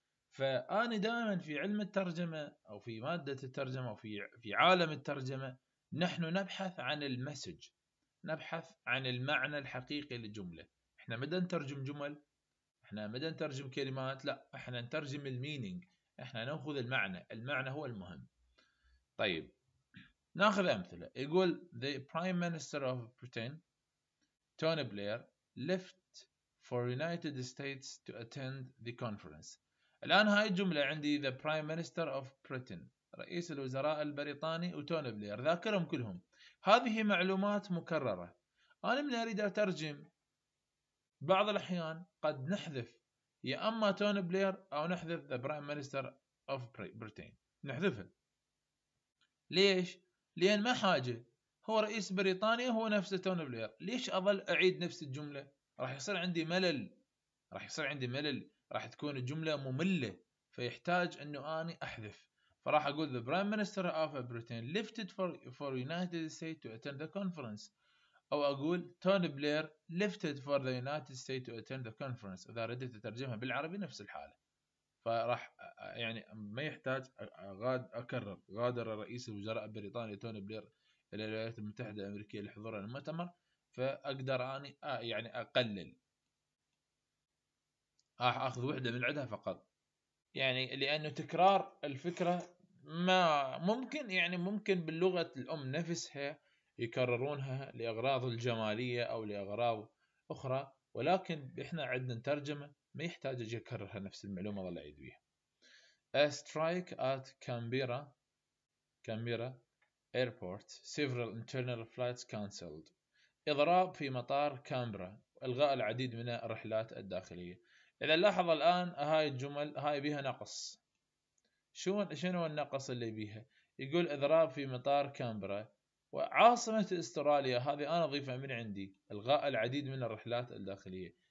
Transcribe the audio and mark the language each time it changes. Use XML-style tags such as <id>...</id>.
<ar>فأنا دائما في علم الترجمة أو في مادة الترجمة أو في عالم الترجمة، نحن نبحث عن المسج، نبحث عن المعنى الحقيقي للجملة. احنا ما نترجم جمل، احنا ما نترجم كلمات، لا، احنا نترجم المينينج، احنا ناخذ المعنى، المعنى هو المهم. طيب ناخذ امثله. يقول</ar> <en>the prime minister of Britain Tony Blair left for United States to attend the conference.</en> <ar>الان هاي الجمله عندي</ar> <en>the prime minister of Britain،</en> <ar>رئيس الوزراء البريطاني، وتوني بلير، ذاكرهم كلهم. هذه معلومات مكررة. أنا من أريد أترجم، بعض الأحيان قد نحذف يا أما توني بلير أو نحذف</ar> <en>The Prime Minister of Britain،</en> <ar>نحذفه. ليش؟ لأن ما حاجة، هو رئيس بريطانيا، هو نفسه توني بلير. ليش أظل أعيد نفس الجملة؟ راح يصير عندي ملل، راح يصير عندي ملل، راح تكون الجملة مملة، فيحتاج أنه أنا أحذف. فراح أقول</ar> <en>the prime minister of Britain lifted for United States to attend the conference،</en> <ar>أو أقول</ar> <en>Tony Blair lifted for the United States to attend the conference.</en> <ar>إذا ردت ترجمها بالعربي نفس الحالة، فراح يعني ما يحتاج أكرر. غادر رئيس الوزراء البريطاني توني بلير إلى الولايات المتحدة الأمريكية لحضور المؤتمر، فأقدر أني يعني أقلل، أخذ وحدة من عدها فقط، يعني لأنه تكرار الفكرة ما ممكن، يعني ممكن باللغة الأم نفسها يكررونها لأغراض الجمالية أو لأغراض أخرى، ولكن إحنا عندنا ترجمة ما يحتاج أجي أكررها نفس المعلومة ظل أعيد بيها.</ar> <en>A strike at Canberra Airport, several internal flights cancelled.</en> <ar>إضراب في مطار كامبرا، إلغاء العديد من الرحلات الداخلية. إذا لاحظ الآن هاي الجمل هاي بيها نقص. شنو النقص اللي بيها؟ يقول إضراب في مطار كامبرا وعاصمة استراليا، هذه أنا أضيفها من عندي، إلغاء العديد من الرحلات الداخلية.</ar>